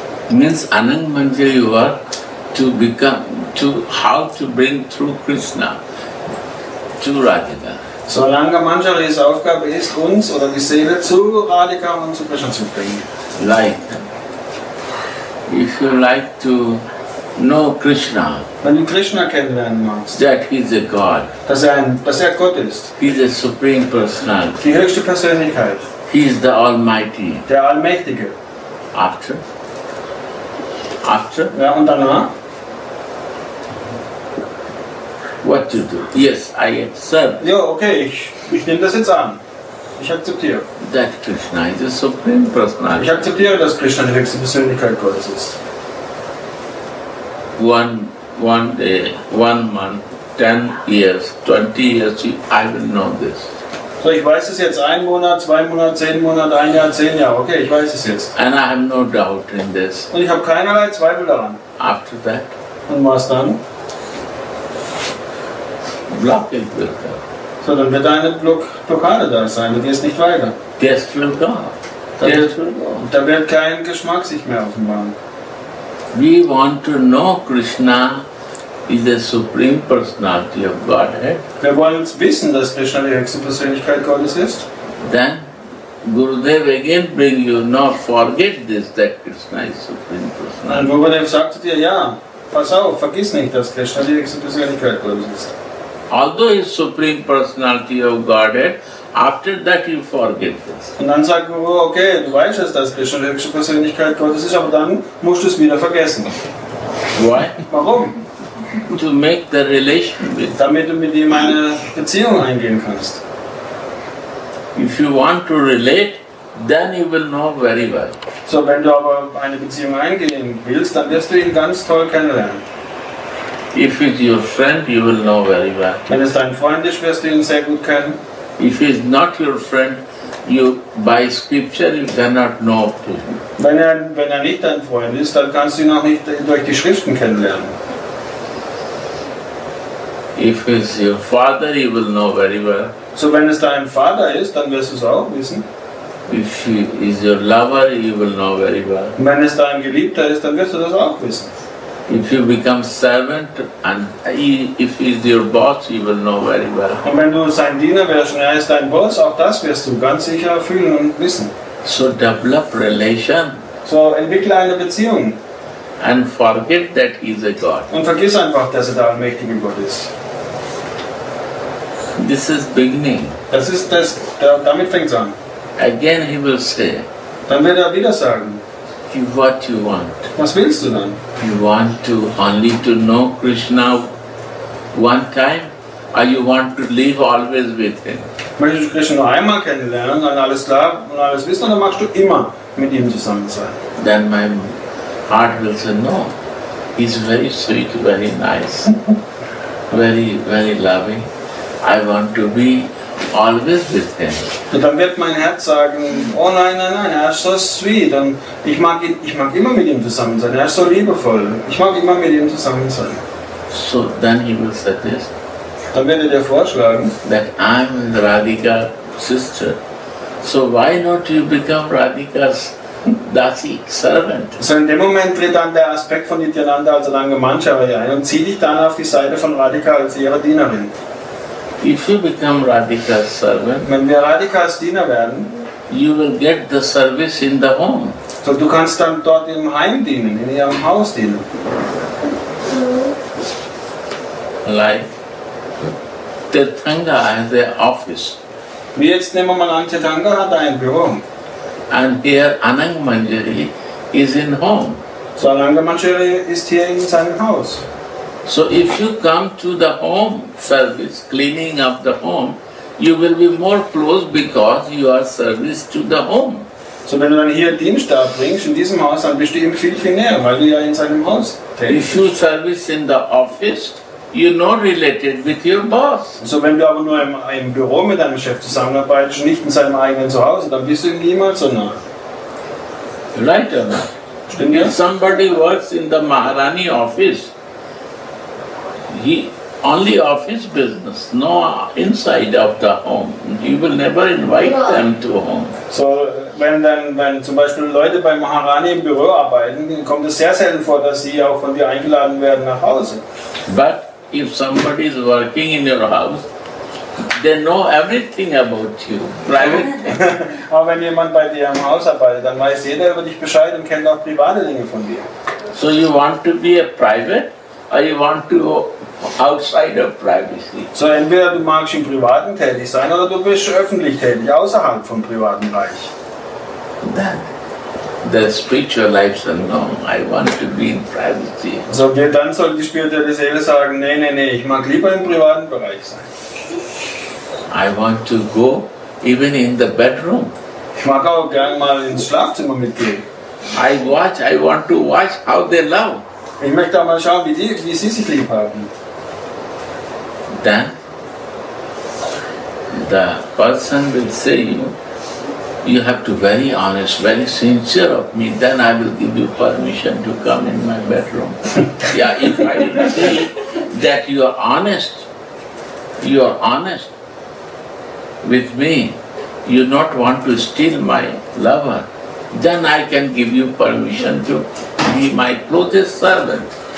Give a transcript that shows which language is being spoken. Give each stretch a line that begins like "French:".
English: Means Anang Manjari work to become, to how to bring through Krishna to Radhika.
German: So, Ananga Manjari's Aufgabe ist, uns oder die Seele zu Radhika und zu Krishna zu bringen.
English: Like, if you like to know Krishna,
German: wenn du Krishna kennenlernen magst,
English: that he is a God,
German: dass er Gott ist,
English: he is a Supreme Personality,
German: die höchste Persönlichkeit,
English: he is the Almighty,
German: der Allmächtige.
English: After?
German: Ja, und danach?
English: What to do? Yes, I accept.
German: Ja, okay, ich nehme das jetzt an. Ich akzeptiere.
English: That Krishna is a Supreme Personality.
German: Ich akzeptiere, dass Krishna die höchste Persönlichkeit Gottes ist.
English: One day, 1 month, 10 years, 20 years, I will know this.
German: So, ich weiß es jetzt. 1 Monat, 2 Monate, 10 Monate, 1 Jahr, 10 Jahre. Okay, ich weiß es jetzt.
English: And I have no doubt in this.
German: Und ich habe keinerlei Zweifel daran.
English: After that.
German: Und was dann? Blockade wird da. So, dann wird eine Blockade da sein. Du gehst nicht weiter. Der ist für Gott. Der ist für Gott. Da wird kein Geschmack sich mehr offenbaren.
English: We want to know Krishna is the Supreme Personality of Godhead.
German: Wir wollen wissen, dass Krishna die höchste Persönlichkeit Gottes ist.
English: Then Gurudev again bring you, not forget this, that Krishna is Supreme Personality.
German: Und Gurudev sagt dir, ja, pass auf, vergiss nicht, dass Krishna die höchste Persönlichkeit Gottes ist.
English: Although his Supreme Personality of Godhead, after that you forget this.
German: Und dann sagt Guru, okay, du weißt es, dass Krishna die höchste Persönlichkeit Gottes ist, aber dann musst du es wieder vergessen.
English: Why?
German: Warum?
English: To make the relation with.
German: Damit du mit ihm eine Beziehung eingehen kannst.
English: If you want to relate, then you will know very well.
German: So, wenn du aber eine Beziehung eingehen willst, dann wirst du ihn ganz toll kennenlernen.
English: If he is your friend, you will know very well.
German: Wenn es dein Freund ist, wirst du ihn sehr gut kennen.
English: If he is not your friend, you by scripture you cannot know of him.
German: Wenn er nicht dein Freund ist, dann kannst du ihn auch nicht durch die Schriften kennenlernen.
English: If he is your father, you will know very well.
German: So, wenn es dein Vater ist, dann wirst du es auch wissen.
English: If he is your lover, you will know very well.
German: Wenn es dein Geliebter ist, dann wirst du das auch wissen.
English: If you become servant and if he is your boss, you will know very well.
German: Und wenn du sein Diener wirst und er ist dein Boss, auch das wirst du ganz sicher fühlen und wissen.
English: So develop relation.
German: So entwickle eine Beziehung.
English: And forget that he is a God.
German: Und vergiss einfach, dass er der allmächtige Gott ist.
English: This is beginning.
German: Das ist das, damit fängt es an.
English: Again he will say.
German: Dann wird er wieder sagen.
English: What you want.
German: Was willst du dann?
English: You want to only to know Krishna one time, or you want to live always with him?
German: Möchtest du Krishna nur einmal kennenlernen, dann alles klar und alles wissen, oder magst du immer mit ihm zusammen sein?
English: Then my heart will say, no, he's very sweet, very nice, very, very loving. I want to be always with him.
German: Und dann wird mein Herz sagen, oh nein, nein, nein, er ist so sweet. Und ich mag immer mit ihm zusammen sein. Er ist so liebevoll. Ich mag immer mit ihm zusammen sein.
English: So then he will say this.
German: Dann wird er dir vorschlagen,
English: that I'm Radhika's sister. So why not you become Radhika's dasi, servant?
German: So in dem Moment tritt dann der Aspekt von Nityananda, also Ananga Manjari, ein und zieh dich dann auf die Seite von Radhika als ihre Dienerin.
English: If you become radical servant,
German: wenn wir radikals Diener werden,
English: you will get the service in the home.
German: So du kannst dann dort im Heim dienen, in ihrem Haus dienen.
English: Like Tirthanga has an office.
German: Wie jetzt nehmen wir mal an, Tirthanga hat ein Büro.
English: And here Anang Manjari is in home.
German: So Anang Manjari ist hier in seinem Haus.
English: So if you come to the home service, cleaning up the home, you will be more close because you are service to the home.
German: So wenn du dann hier Dienst abbringst in diesem Haus, dann bist du ihm viel, viel näher, weil du ja in seinem Haus tätig bist.
English: If you service in the office, you're not related with your boss.
German: So wenn du aber nur im Büro mit deinem Chef zusammenarbeitest, nicht in seinem eigenen Zuhause, dann bist du ihm niemals so nah.
English: Right or not?
German: Stimmt
English: ja? If somebody works in the Maharani office, he only office business, no inside of the home. You will never invite them to home.
German: So wenn zum Beispiel Leute bei Maharani im Büro arbeiten, kommt es sehr selten vor, dass sie auch von dir eingeladen werden nach Hause.
English: But if somebody is working in your house, they know everything about you, privately.
German: Aber wenn jemand bei dir im Haus arbeitet, dann weiß jeder über dich Bescheid und kennt auch private Dinge von dir.
English: So you want to be a private? Or you want to go outside of privacy.
German: So entweder du magst im Privaten tätig sein oder du bist öffentlich tätig, außerhalb vom privaten Reich.
English: The spiritual life says, no, I want to be in privacy.
German: So dann soll die spirituelle Seele sagen, nee, ich mag lieber im privaten Bereich sein.
English: I want to go even in the bedroom.
German: Ich mag auch gerne mal ins Schlafzimmer mitgehen.
English: I want to watch how they love.
German: Ich möchte auch mal schauen, wie sie sich lieb haben.
English: Then the person will say, you have to very honest, very sincere of me, then I will give you permission to come in my bedroom. Yeah, if I say that you are honest with me, you not want to steal my lover, then I can give you permission to be my closest servant.